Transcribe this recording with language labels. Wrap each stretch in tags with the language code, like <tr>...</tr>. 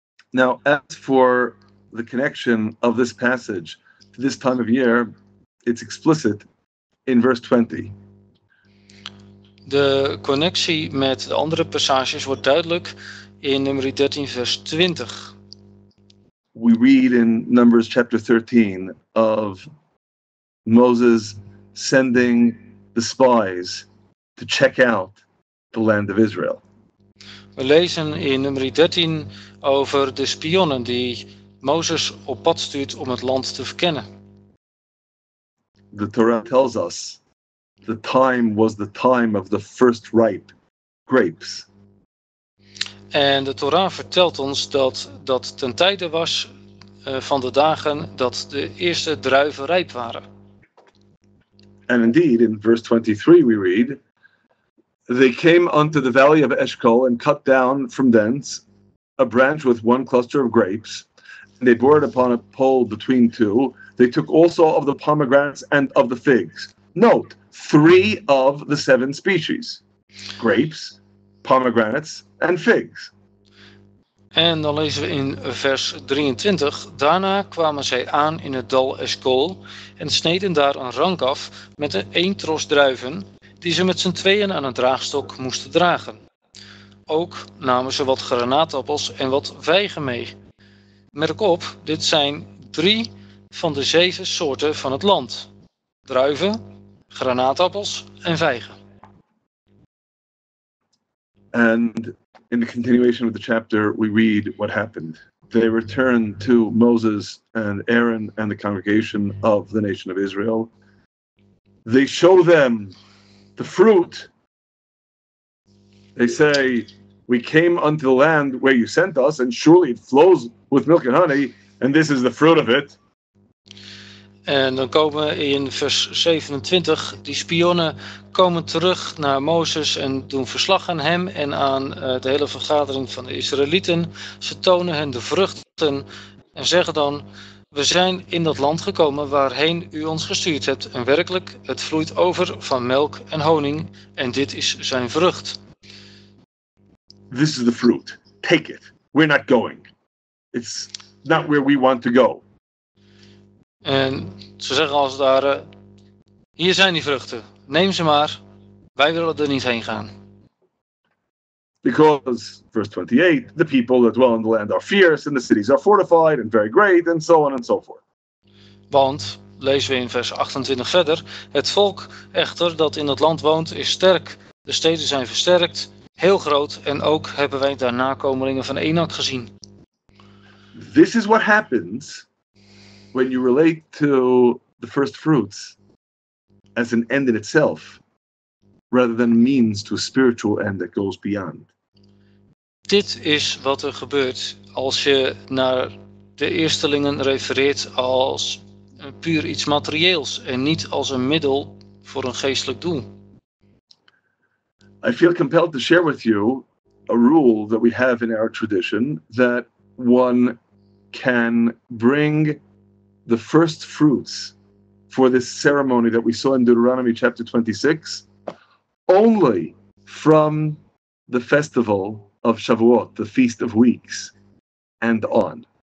<en>Now, as for the connection of this passage to this time of year, it's explicit in verse 20.</en> <nl>De connectie met de andere passages wordt duidelijk in Numeri 13, vers 20.</nl> <en>We read in Numbers chapter 13 of Moses sending the spies to check out the land of Israel.</en> <nl>We lezen in Numeri 13 over de spionnen die Mozes op pad stuurt om het land te verkennen.</nl> <en>The Torah tells us the time was the time of the first ripe grapes.</en> <nl>En de Torah vertelt ons dat dat ten tijde was van de dagen dat de eerste druiven rijp waren.</nl> <en>And indeed, in verse 23 we read, they came unto the valley of Eshcol and cut down from thence a branch with one cluster of grapes. And they bore it upon a pole between two. They took also of the pomegranates and of the figs. Note, three of the seven species. Grapes, pomegranates and figs.</en> <nl>En dan lezen we in vers 23. Daarna kwamen zij aan in het dal Eshcol en sneden daar een rank af met een tros druiven die ze met z'n tweeën aan een draagstok moesten dragen. Ook namen ze wat granaatappels en wat vijgen mee. Merk op, dit zijn drie van de zeven soorten van het land. Druiven, granaatappels en vijgen.</nl> <en>En in the continuation of the chapter, we read what happened. They returned to Moses and Aaron and the congregation of the nation of Israel. They show them the fruit. They say, we came unto the land where you sent us, and surely it flows with milk and honey, and this is the fruit of it.</en> <nl>En dan komen in vers 27, die spionnen komen terug naar Mozes en doen verslag aan hem en aan de hele vergadering van de Israëlieten. Ze tonen hen de vruchten en zeggen dan, we zijn in dat land gekomen waarheen u ons gestuurd hebt. En werkelijk, het vloeit over van melk en honing en dit is zijn vrucht.</nl> <en>This is the fruit. Take it. We're not going. It's not where we want to go.</en> <nl>En ze zeggen als het ware, hier zijn die vruchten, neem ze maar, wij willen er niet heen gaan.</nl> <en>Because, verse 28, the people that dwell in the land are fierce, and the cities are fortified, and very great, and so on and so forth.</en> <nl>Want, lezen we in vers 28 verder, het volk echter dat in het land woont is sterk, de steden zijn versterkt, heel groot, en ook hebben wij daar nakomelingen van Enak gezien.</nl> <en>This is what happens when you relate to the first fruits as an end in itself, rather than means to a spiritual end that goes beyond.</en> <nl>Dit is wat er gebeurt als je naar de eerstelingen refereert als puur iets materieels en niet als een middel voor een geestelijk doel.</nl> <en>I feel compelled to share with you a rule that we have in our tradition that one can bring the first fruits for this ceremony that we saw in Deuteronomy chapter 26, only from the festival of Shavuot, the Feast of Weeks, and on.</en>